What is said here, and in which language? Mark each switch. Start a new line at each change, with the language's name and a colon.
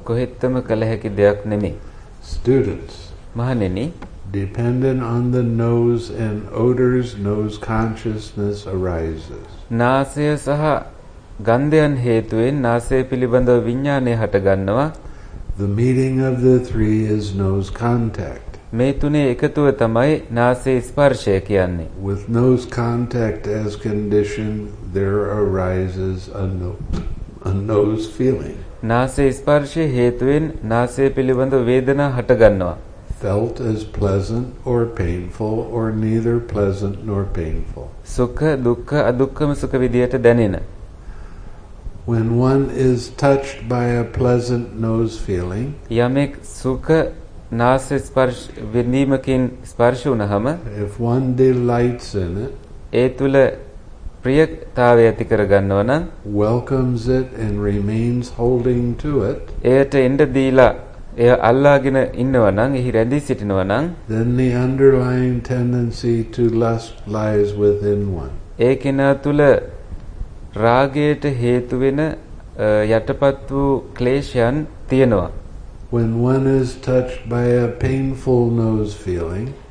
Sinhala: කොහෙත්ම කළ හැකි දෙයක් නෙමෙයි.
English: Students,
Sinhala: මහණෙනි,
English: dependent on the nose and odors, nose consciousness arises.
Sinhala: නාසය සහ ගන්ධයන් හේතුවෙන් නාසය පිළිබඳ විඥානය හට ගන්නවා.
English: The meeting of the three is nose contact.
Sinhala: මේ තුනේ එකතුව තමයි නාසයේ ස්පර්ශය කියන්නේ.
English: With nose contact as condition, there arises a nose feeling.
Sinhala: නාසයේ ස්පර්ශය හේතුවෙන් නාසය පිළිබඳ වේදනා හට ගන්නවා.
English: Felt as pleasant or painful or neither pleasant nor painful.
Sinhala: සුඛ දුක්ඛ අදුක්ඛම සුඛ විදියට දැනෙන.
English: When one is touched by a pleasant nose feeling,
Sinhala: යමෙක් සුඛ නාසය ස්පර්ශ විඳීමකින් ස්පර්ශ වුණහම,
English: if one delights in it,
Sinhala: ඒ තුල ප්‍රියතාවය ඇති කරගන්නව නම්
English: welcomes it and remains holding to it
Sinhala: එයට එඬ දීලා එය අල්ලාගෙන ඉන්නව නම් එහි රැඳී සිටිනව නම්
English: then the underlying tendency to lust lies within one
Sinhala: ඒකන තුල රාගයට හේතු වෙන යටපත් වූ ක්ලේශයන් තියෙනවා
English: when one is touched by a painful nose feeling